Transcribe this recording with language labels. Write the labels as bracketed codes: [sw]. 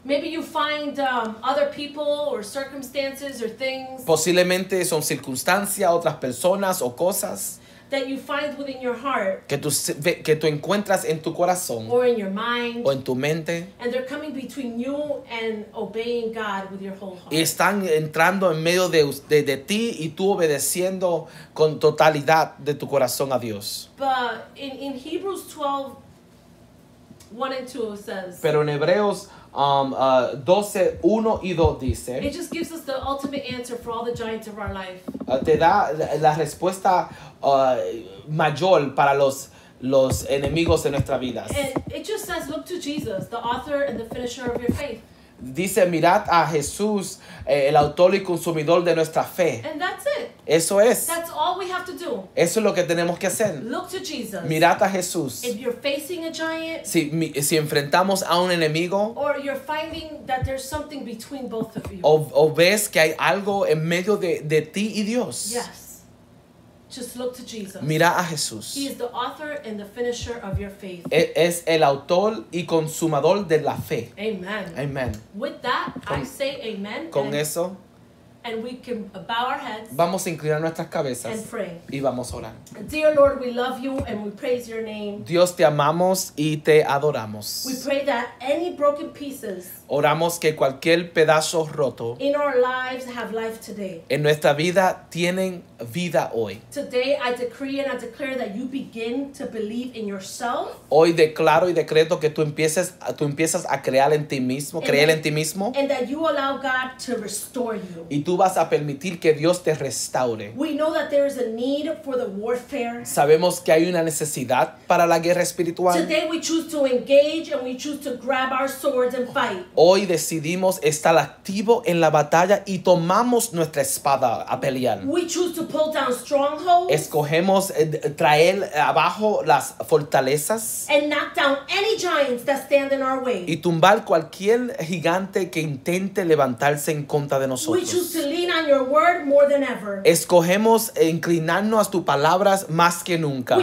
[en] Maybe you find other people or circumstances or things. [es] Posiblemente son circunstancias, otras personas o cosas. [en] That you find within your heart. [es] Que tú encuentras en tu corazón. [en] Or in your mind. [es] O en tu mente. [en] And they're coming between you and obeying God with your whole heart. [es] Y están entrando en medio de ti y tú obedeciendo con totalidad de tu corazón a Dios. [en] But in Hebrews 12, 1 and 2 says. [es] Pero en Hebreos 12, 1 y 2 dice. [en] It just gives us the ultimate answer for all the giants of our life. [es] Te da la respuesta mayor para los enemigos de nuestra vida. [en] It just says, look to Jesus, the author and the finisher of your faith. [es] Dice, mirad a Jesús, el autor y consumidor de nuestra fe. [en] And that's it. [es] Eso es. [en] That's all we have to do. [es] Eso es lo que tenemos que hacer. [en] Look to Jesus. [es] Mirad a Jesús. [en] If you're facing a giant. [es] Si enfrentamos a un enemigo. [en] Or you're finding that there's something between both of you. [es] O ves que hay algo en medio de ti y Dios. [en] Yes. Just look to Jesus. [es] Mira a Jesús. [en] He is the author and the finisher of your faith. [es] Es el autor y consumador de la fe. [en] Amen. [es] Amen. [en] With that, I say amen. [es] Con eso. [en] And we can bow our heads. [es] Vamos a inclinar nuestras cabezas. [en] And pray. [es] Y vamos a orar. [en] Dear Lord, we love you and we praise your name. [es] Dios, te amamos y te adoramos. [en] We pray that any broken pieces. [es] Oramos que cualquier pedazo roto. [en] In our lives have life today. [es] En nuestra vida tienen vida hoy. [en] Today I decree and I declare that you begin to believe in yourself. [es] Hoy declaro y decreto que tú empiezas a creer en ti mismo. [en] And that you allow God to restore you. [es] Y tú tú vas a permitir que Dios te restaure. [en] We know that there is a need for the warfare. [es] Sabemos que hay una necesidad para la guerra espiritual. [en] Today we choose to engage and we choose to grab our swords and fight. [es] Hoy decidimos estar activo en la batalla y tomamos nuestra espada a pelear. [en] We choose to pull down strongholds. [es] Escogemos traer abajo las fortalezas. [en] And knock down any giants that stand in our way. [es] Y tumbar cualquier gigante que intente levantarse en contra de nosotros. [en] We choose to lean on your word more than ever. [es] Escogemos inclinarnos a tus palabras más que nunca.